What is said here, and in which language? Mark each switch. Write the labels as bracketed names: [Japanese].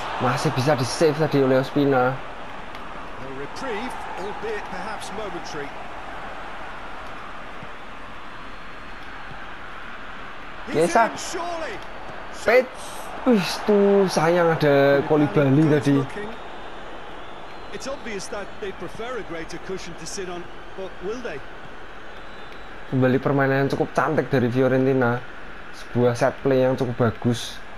[Indonesian] Masih bisa di save tadi oleh Ospina. [English] A reprieve, albeit perhaps momentary. [Indonesian] Kiesa. Pet. Wih, tuh sayang ada Koulibaly tadi. [English] It's obvious that they prefer a greater cushion to sit on, but will they? [Indonesian] Kembali permainan yang cukup cantik dari Fiorentina. Sebuah set play yang cukup bagus.